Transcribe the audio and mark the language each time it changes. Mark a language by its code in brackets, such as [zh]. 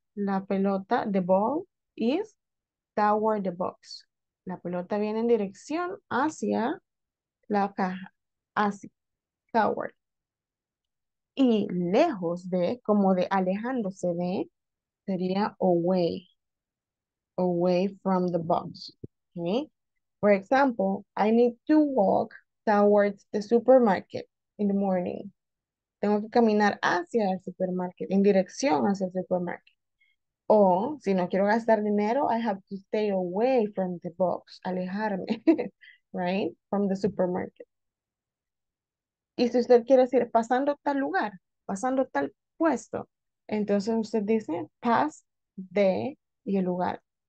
[es] La pelota, [en] the ball, is toward the box. [es] La pelota viene en dirección hacia la caja. Hacia. [en] Toward. [es] Y lejos de, como de alejándose de, sería away. [en] Away from the box. Okay? For example, I need to walk towards the supermarket in the morning. [es] Tengo que caminar hacia el supermarket, en dirección hacia el supermarket. O si no quiero gastar dinero, [en] I have to stay away from the box, [es] alejarme, [en] right? From the supermarket. [es] Y si usted quiere decir pasando tal lugar, pasando tal puesto, entonces usted dice [en] pass the [es] y el lugar.